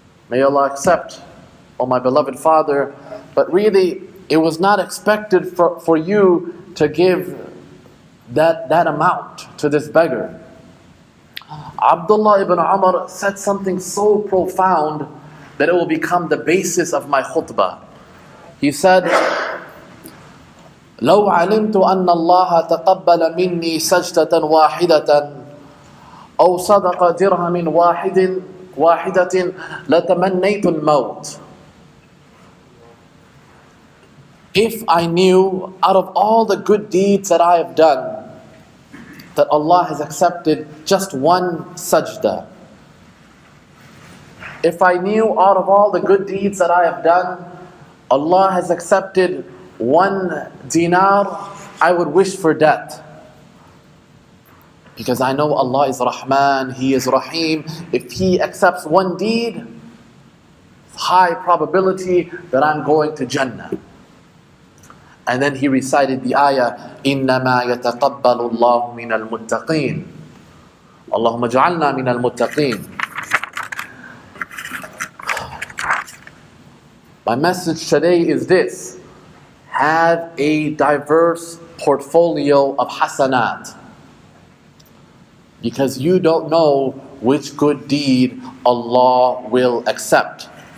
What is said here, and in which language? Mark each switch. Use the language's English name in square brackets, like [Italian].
[English] May Allah accept, O my beloved father. But really, it was not expected for you to give that amount to this beggar. Abdullah ibn Umar said something so profound that it will become the basis of my khutbah. He said, [Arabic] "لو علمت أن الله تقبل مني سجدة واحدة أو صدق درهم واحد واحدة لتمنيت الموت." [English] If I knew, out of all the good deeds that I have done, that Allah has accepted just one sajda. If I knew out of all the good deeds that I have done, Allah has accepted one dinar, I would wish for death. Because I know Allah is Rahman, He is Rahim. If He accepts one deed, high probability that I'm going to Jannah. And then he recited the ayah, [Arabic] "إِنَّمَا يَتَقَبَّلُ اللَّهُ مِنَ الْمُتَّقِينَ اللَّهُمَّ اجْعَلْنَا مِنَ الْمُتَّقِينَ." [English] My message today is this: have a diverse portfolio of hasanat, because you don't know which good deed Allah will accept.